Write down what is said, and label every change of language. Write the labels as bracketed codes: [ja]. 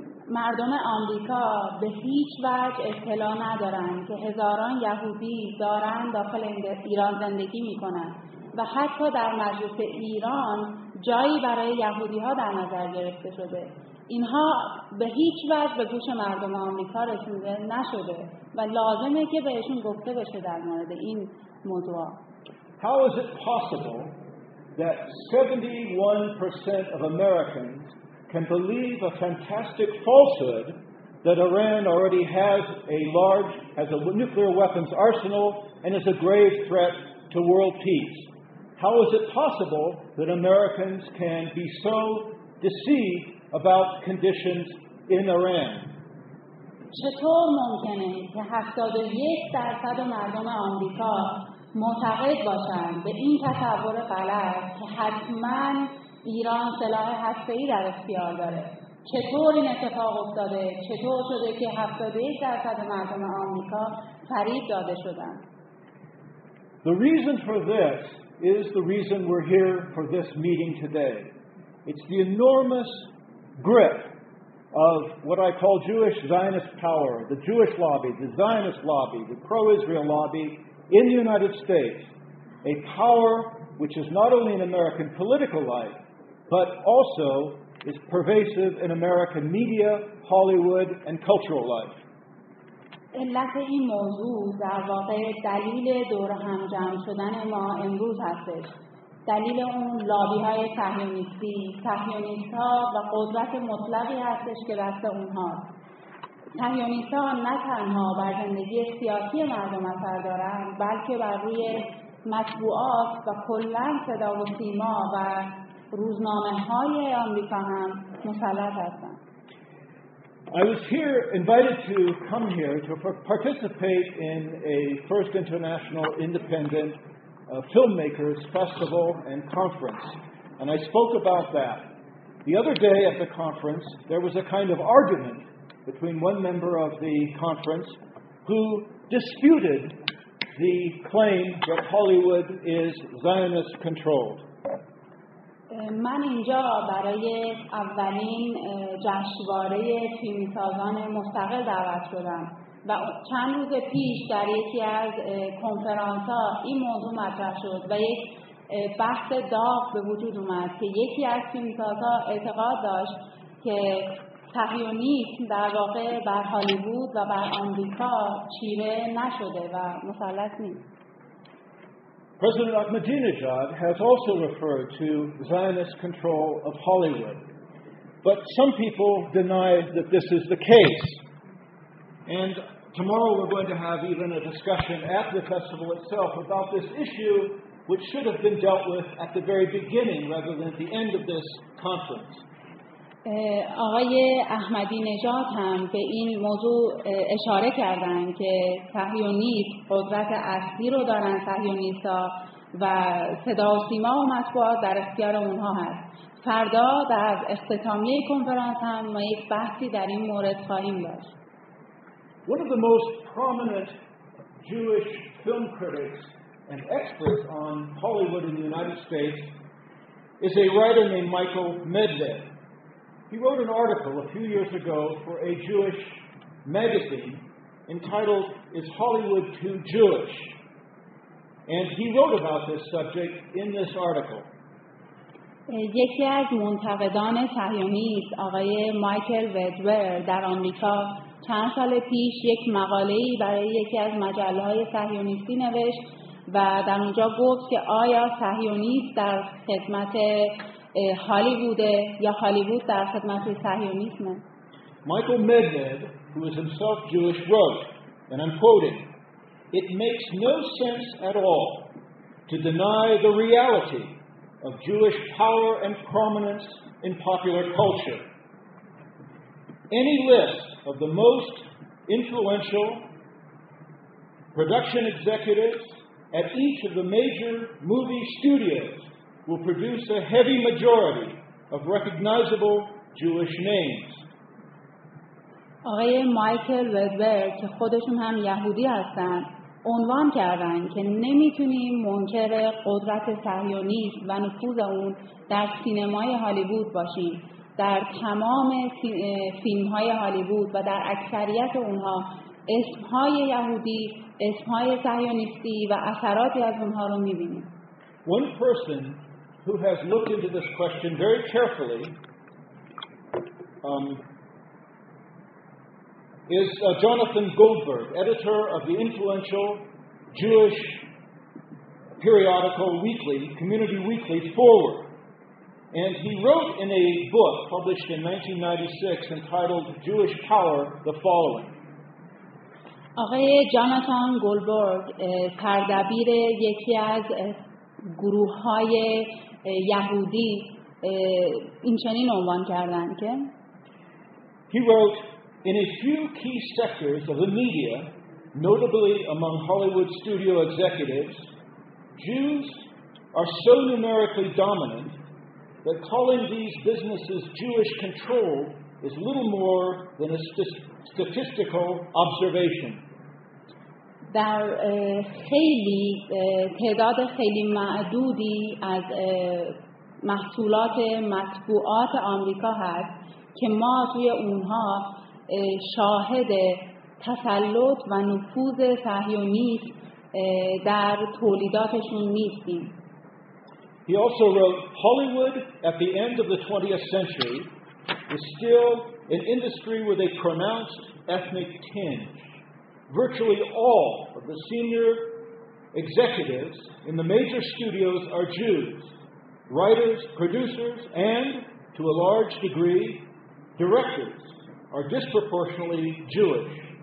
[fa] مردم آمریکا به هیچ وجه اطلاع ندارن که هزاران یهودی دارن داخل ایران زندگی میکنن و حتی در مجلس ایران جایی برای یهودی ها در نظر گرفته شده. اینها به هیچ وجه به گوش مردم آمریکا رسیده نشده و لازمه که بهشون گفته بشه در مورد این موضوع. [en] How is it possible that 71% of Americans can believe a fantastic falsehood that Iran already has a nuclear weapons arsenal and is a grave threat to world peace? How is it possible that Americans can be so deceived about conditions in Iran? [fa] چطور ممکنه که 71% مردم آمریکا معتقد باشند به این تصور غلط که حتماً ایران سلاح هسته‌ای در اختیار داره؟ چطور این اتفاق افتاده؟ چطور شده که 71% مردم آمریکا فریب داده شدند؟ [en] The reason for this is the reason we're here for this meeting today. It's the enormous grip of what I call Jewish Zionist power, the Jewish lobby, the Zionist lobby, the pro-Israel lobby in the United States, a power which is not only in American political life, but also is pervasive in American media, Hollywood, and cultural life. [fa] علت این موضوع در واقع دلیل دور هم جمع شدن ما امروز هستش. دلیل اون لابی های صهیونیستی، صهیونیست ها و قدرت مطلقی هستش که دست اونها. صهیونیست ها نه تنها بر زندگی سیاسی مردم اثر دارن، بلکه بر روی مطبوعات و کلن صدا و سیما و [en] I was here invited to come here to participate in a first international independent filmmakers festival and conference, and I spoke about that. The other day at the conference, there was a kind of argument between one member of the conference who disputed the claim that Hollywood is Zionist controlled. [fa] من اینجا برای اولین جشنواره فیلمسازان مستقل دعوت شدم و چند روز پیش در یکی از کنفرانس‌ها این موضوع مطرح شد و یک بحث داغ به وجود اومد که یکی از فیلمسازها اعتقاد داشت که صهیونیسم در واقع بر هالیوود و بر آمریکا چیره نشده و مسلط نیست. [en] President Ahmadinejad has also referred to Zionist control of Hollywood, but some people deny that this is the case. And tomorrow we're going to have even a discussion at the festival itself about this issue, which should have been dealt with at the very beginning rather than at the end of this conference. [fa] آقای احمدی نژاد هم به این موضوع اشاره کردند که صهیونیست قدرت اصلی رو دارن صهیونیست‌ها و صدا و سیما و مطبوعات در اختیار اونها هست. فردا در اختتامیه کنفرانس هم ما یک بحثی در این مورد خواهیم داشت. [en] One of the most prominent Jewish film critics and experts on Hollywood in the United States is a writer named Michael Medved. He wrote an article a few years ago for a Jewish magazine entitled Is Hollywood Too Jewish? And he wrote about this subject in this article. [fa] یکی از منتقدان صهیونیست آقای مایکل ودور در آمریکا چند سال پیش یک مقاله‌ای برای یکی از مجله‌های صهیونیستی نوشت و در اونجا گفت که آیا صهیونیست در خدمت هالیوود یا هالیوود در خدمت صهیونیسم؟ [en] Michael مدد، who is himself Jewish, wrote, and I'm quoting, "It makes no sense at all to deny the reality of Jewish power and prominence in popular culture. Any list of the most influential production executives at each of the major movie studios will produce a heavy majority of recognizable Jewish names." [fa] آقای مایکل ودور که خودشون هم یهودی هستن عنوان کردن که نمیتونیم منکر قدرت صهیونیسم و نفوذ اون در سینمای هالیوود باشیم. در تمام فیلم‌های هالیوود و در اکثریت اونها اسم‌های یهودی، اسم‌های صهیونیستی و اثراتی از اونها رو می‌بینیم. [en] One person who has looked into this question very carefully is Jonathan Goldberg, editor of the influential Jewish periodical weekly, community weekly, Forward. And he wrote in a book published in 1996 entitled Jewish Power the following. [fa] آقای جاناتان گولبرگ سردبیر یکی از گروه‌های یهودی اینچنین عنوان کردند که [en] He wrote in a few key sectors of the media, notably among Hollywood studio executives, Jews are so numerically dominant that calling these businesses Jewish control is little more than a statistical observation. [fa] در خیلی تعداد خیلی معدودی از محصولات مطبوعات آمریکا هست که ما توی اونها شاهد تسلط و نفوذ صهیونیست در تولیداتشون نیستیم. [en] He also wrote, Hollywood at the end of the 20th century is still an industry with a pronounced ethnic tinge. Virtually all of the senior executives in the major studios are Jews, writers, producers, and, to a large degree, directors are disproportionately Jewish.